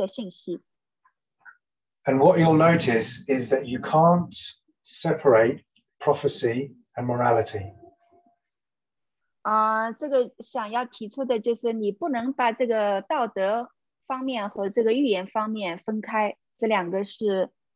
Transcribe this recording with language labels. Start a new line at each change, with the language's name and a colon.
Chinese: 如果你记得两堂课以前这个晚语的信息呢，他是说这是一个预言性的信，晚语是个预言性的信息。
English: And what you'll notice is that you can't separate prophecy and morality.
Chinese: 这个想要提出的就是你不能把这个道德方面和这个预言方面分开，这两个是